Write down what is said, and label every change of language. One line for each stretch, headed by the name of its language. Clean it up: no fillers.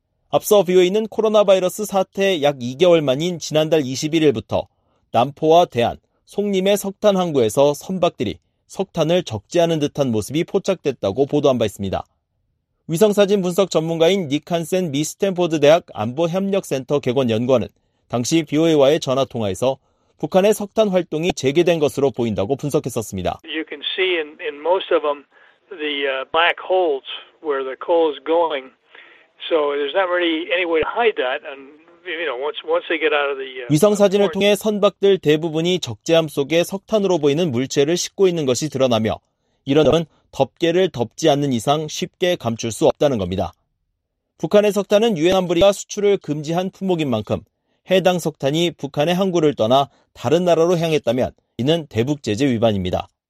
Korean: 앞서 BOA는 코로나 바이러스 사태 약 2개월 만인 지난달 21일부터 남포와 대한, 송림의 석탄 항구에서 선박들이 석탄을 적지 않은 듯한 모습이 포착됐다고 보도한 바 있습니다. 위성사진 분석 전문가인 닉 한센 미 스탠포드 대학 안보협력센터 객원 연구원은 당시 BOA와의 전화통화에서 북한의 석탄 활동이 재개된 것으로 보인다고 분석했었습니다.
English: You can see in most of them the black holes where the coal is going. So there's not really any way to hide that. And you know, once they get out of the
Korean: 위성 사진을 통해 선박들 대부분이 적재함 속에 석탄으로 보이는 물체를 싣고 있는 것이 드러나며 이런 점은 덮개를 덮지 않는 이상 쉽게 감출 수 없다는 겁니다. 북한의 석탄은 유엔 안보리가 수출을 금지한 품목인 만큼 해당 석탄이 북한의 항구를 떠나 다른 나라로 향했다면 이는 대북 제재 위반입니다.